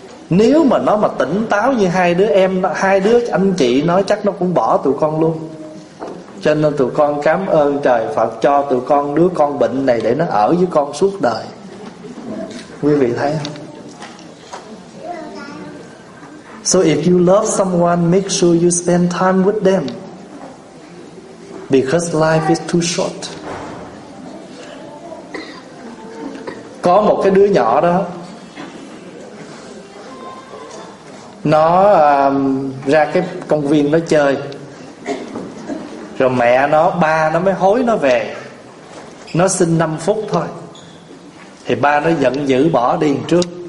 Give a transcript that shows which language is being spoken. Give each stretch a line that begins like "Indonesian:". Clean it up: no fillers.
Vietnamese: Nếu mà nó mà tỉnh táo như hai đứa em, hai đứa anh chị nói chắc nó cũng bỏ tụi con luôn. Cho nên tụi con cảm ơn trời Phật cho tụi con đứa con bệnh này để nó ở với con suốt đời. Quý vị thấy không?
English: So if you love someone, make sure you spend time with them, because life is too short.
Vietnamese: Có một cái đứa nhỏ đó, nó ra cái công viên nó chơi, rồi mẹ nó, ba nó mới hối nó về. Nó xin 5 phút thôi, thì ba nó giận dữ bỏ đi trước.